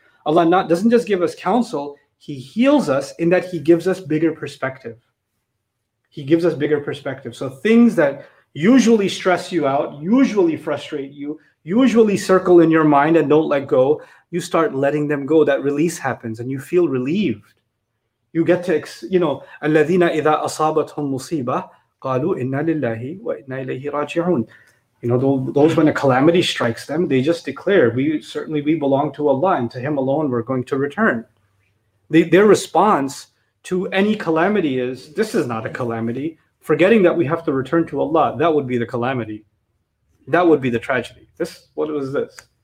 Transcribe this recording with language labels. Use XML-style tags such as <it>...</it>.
<en>Allah doesn't just give us counsel, He heals us in that He gives us bigger perspective. He gives us bigger perspective. So things that usually stress you out, usually frustrate you, usually circle in your mind and don't let go, you start letting them go. That release happens and you feel relieved. You get to, you know,</en> <ar>الَّذِينَ إِذَا أَصَابَتْهُمْ مُصِيبَةٌ قَالُوا إِنَّا لِلَّهِ وَإِنَّا إِلَيْهِ رَاجِعُونَ.</ar> <en>You know, those when a calamity strikes them, they just declare, we belong to Allah, and to Him alone we're going to return. Their response to any calamity is, this is not a calamity, forgetting that we have to return to Allah. That would be the calamity. That would be the tragedy. This, what was this?</en>